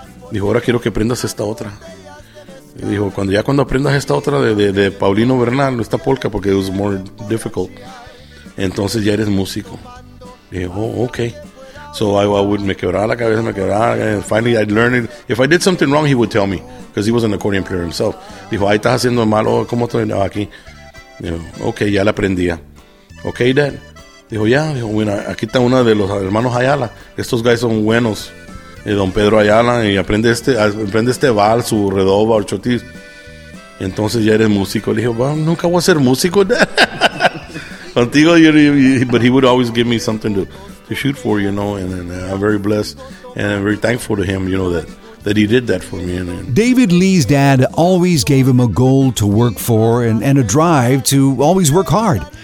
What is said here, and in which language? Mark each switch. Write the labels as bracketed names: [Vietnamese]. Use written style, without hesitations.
[Spanish] Dijo, ahora quiero que aprendas esta otra. Y dijo, cuando aprendas esta otra de Paulino Bernal, esta polka, porque [English] it was more difficult, [Spanish] entonces ya eres músico. Dije, oh, okay. [English] So I would, [Spanish] me quebraba la cabeza, [English] and finally I'd learn it. If I did something wrong, he would tell me, because he was an accordion player himself. [Spanish] Dijo, ahí estás haciendo malo, ¿cómo estoy aquí? Dijo, okay, ya la aprendía. [English] Okay, dad. [Spanish] Dijo, ya. Dijo, bueno, aquí está uno de los hermanos Ayala. Estos guys son buenos. Don Pedro Ayala, y aprende este vals, su redoba, el chotis. Entonces ya eres músico. Le dije, well, nunca voy a ser músico. [English] Contigo, but he would always give me something to shoot for, you know, and I'm very blessed and I'm very thankful to him, you know, that he did that for me. David Lee's dad always gave him a goal to work for and a drive to always work hard.